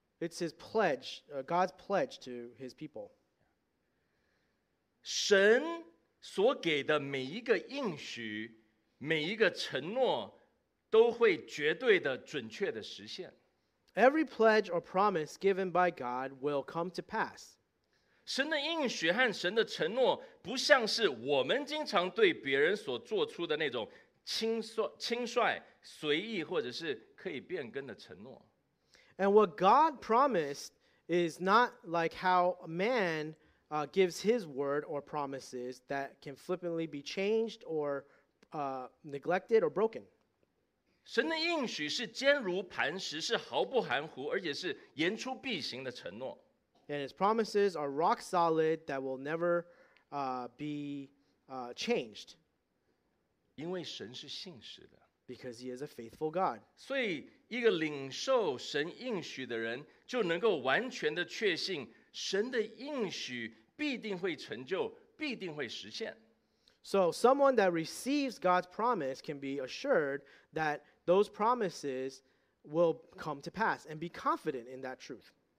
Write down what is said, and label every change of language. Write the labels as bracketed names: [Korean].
[English] It's His pledge, God's pledge to His people. [Chinese] 神所给的每一个应许，每一个承诺，都会绝对的、准确的实现。 [English] Every pledge or promise given by God will come to pass. [Chinese] 神的应许和神的承诺不像是我们经常对别人所做出的那种轻率、随意或者是可以变更的承诺。 [English] And what God promised is not like how a man gives his word or promises that can flippantly be changed or neglected or broken. [Chinese] 神的应许是坚如磐石，是毫不含糊，而且是言出必行的承诺。 [English] And His promises are rock solid that will never be changed. [Chinese] 因为神是信实的。 [English] Because He is a faithful God. [Chinese] 所以一个领受神应许的人就能够完全的确信神的应许必定会成就，必定会实现。 [English] So someone that receives God's promise can be assured that those promises will come to pass and be confident in that truth.